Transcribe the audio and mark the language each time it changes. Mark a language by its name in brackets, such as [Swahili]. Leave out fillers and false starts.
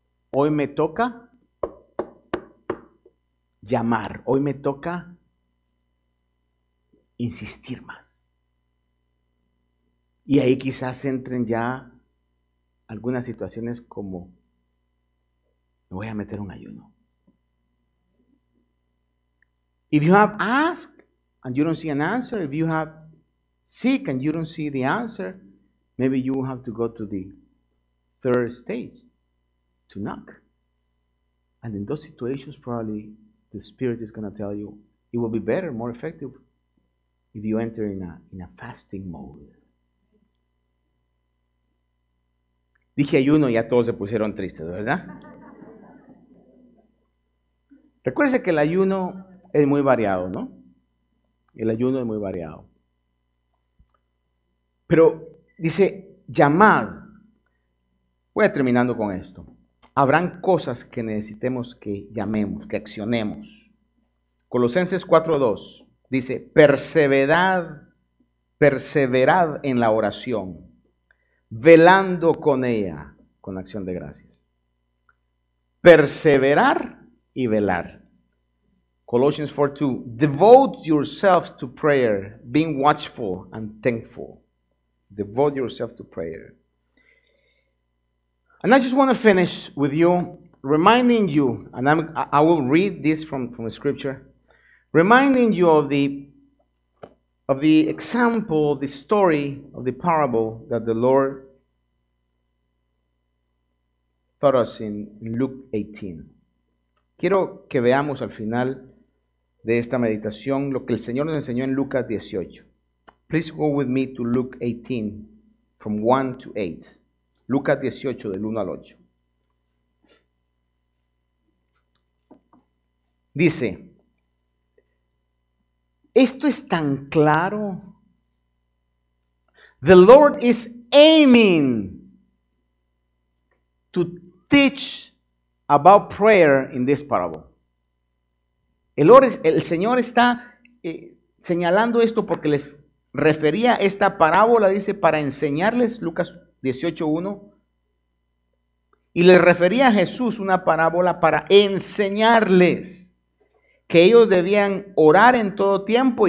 [Spanish] Hoy me toca llamar, hoy me toca insistir más. Y ahí quizás entren ya algunas situaciones como, me voy a meter un ayuno. [English] If you have asked and you don't see an answer, if you have seek and you don't see the answer, maybe you have to go to the third stage, to knock. And in those situations, probably the Spirit is going to tell you, it will be better, more effective, if you enter in a fasting mode. [Spanish] Dije ayuno y ya todos se pusieron tristes, ¿verdad? Recuerde que el ayuno es muy variado, ¿no? El ayuno es muy variado. Pero dice, llamad. Voy a terminando con esto. Habrán cosas que necesitemos que llamemos, que accionemos. Colosenses 4:2 dice, perseverad, perseverad en la oración, velando con ella, con acción de gracias. Perseverar y velar. [English] Colossians 4:2, devote yourselves to prayer, being watchful and thankful. Devote yourself to prayer. And I just want to finish with you, reminding you, and I will read this from the scripture, reminding you of the example, the story of the parable that the Lord taught us in Luke 18. [Spanish] Quiero que veamos al final de esta meditación lo que el Señor nos enseñó en Lucas 18. [English] Please go with me to Luke 18, from 1 to 8. [Spanish] Lucas 18, del 1 al 8. Dice, esto es tan claro. [English] The Lord is aiming to teach about prayer in this parable. [Spanish] El Señor está señalando esto porque les refería esta parábola, dice, para enseñarles, Lucas 18:1. Y les refería a Jesús una parábola para enseñarles que ellos debían orar en todo tiempo.